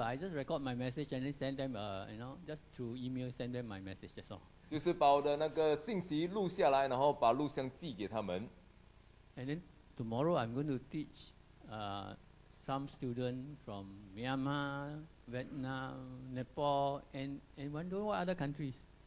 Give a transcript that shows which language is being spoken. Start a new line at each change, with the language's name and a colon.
English: I just record my message and then send them. You know, just through email, send them my message. That's all.
Chinese: 就是把我的那个信息录下来，然后把录像寄给他们。
English: And then tomorrow I'm going to teach some student from Myanmar, Vietnam, Nepal, and wonder what other countries.